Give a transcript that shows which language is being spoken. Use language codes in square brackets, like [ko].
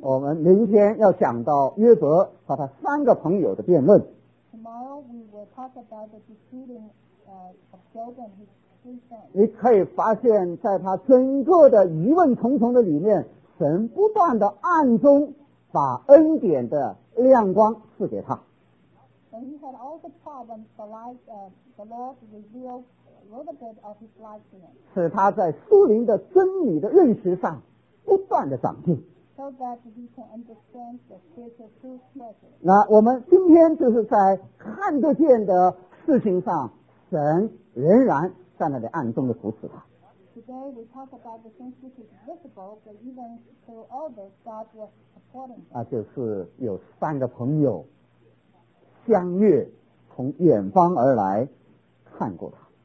[zh] 我们明天要讲到约伯和他三个朋友的辩论。 [en] Tomorrow we will talk about the disputing of Job and his three friends. [zh] 你可以发现在他整个的疑问重重的里面，神不断的暗中把恩典的亮光赐给他。 [en] And he had all the problems, the light, the Lord revealed a little bit of his light to him. [zh] 使他在属灵的真理的认识上不断的长进。 [en] So that he can understand the spiritual truth better. [zh] 那我们今天就是在看得见的事情上，神仍然在那里暗中的扶持他。 [en] Today we talk about the things which is visible, but even through all this, God was supporting him. [zh] 就是有三个朋友相约从远方而来看过他。